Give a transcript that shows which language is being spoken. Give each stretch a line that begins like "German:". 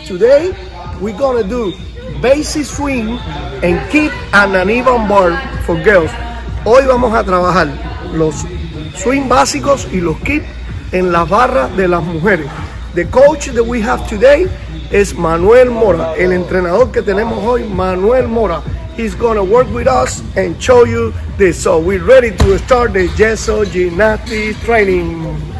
English: Today, we're gonna do basic swing and keep and an even bar for girls.
Spanish: Hoy vamos a trabajar los swing básicos y los keep en la barra de las mujeres.
English: The coach that we have today is Manuel Mora.
Spanish: El entrenador que tenemos hoy, Manuel Mora.
English: He's gonna work with us and show you this. So we're ready to start the Yeessooo Yinastic Training.